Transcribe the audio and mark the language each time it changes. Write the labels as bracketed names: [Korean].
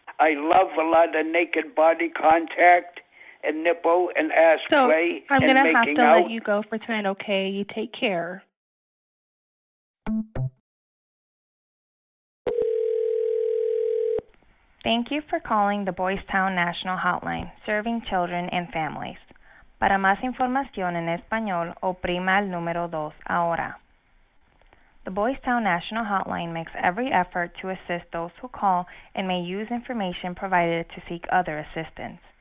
[English] I love a lot of naked body contact and nipple and ass so play I'm and making I'm going to have to let you go for tonight, okay? You take care. Thank you for calling the Boys Town National Hotline, serving children and families. [Spanish] Para más información en español, oprima el número 2 ahora. [English] The Boys Town National Hotline makes every effort to assist those who call and may use information provided to seek other assistance.